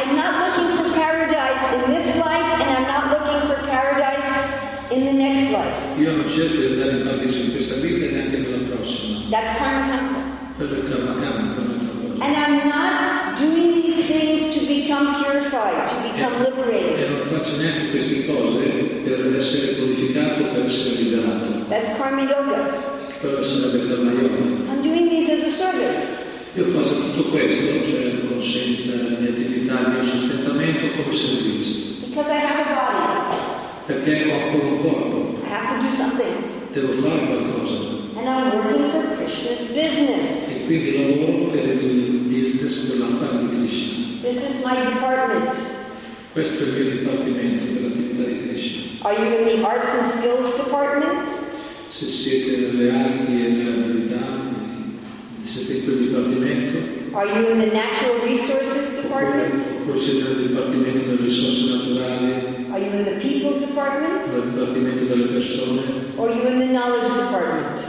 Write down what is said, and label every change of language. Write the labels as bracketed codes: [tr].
[en] I'm not looking for paradise in this life, and I'm not looking for paradise in the next life. [it] Io non cerco di andare in paradiso in questa vita e neanche nella prossima. [en] That's karma. [it] Quello è karma, karma. [en] And I'm not doing these things to become purified, to become liberated. [it] E non faccio neanche queste cose per per essere purificato, per essere liberato. [en] That's karma yoga. [it] Per essere karma yoga. [en] I'm doing this as a service. [it] Io faccio tutto questo, cioè conoscenza, di attività, il mio sostentamento come servizio. [en] Because I have a body. [it] Perché ho ancora un corpo. [en] I have to do something. [it] Devo fare qualcosa. [en] And I'm working for Krishna's business. [it] E quindi lavoro per il business dell'affare di Krishna. [en] This is my department. [it] Questo è il mio dipartimento per l'attività di Krishna. [en] Are you in the arts and skills department? [it] Se siete nelle arti e nelle abilità, siete in quel dipartimento. [en] Are you in the natural resources department? [it] Oppure siete nel dipartimento delle risorse naturali. [en] Are you in the people department? [it] Nel dipartimento delle persone. [en] Or are you in the knowledge department?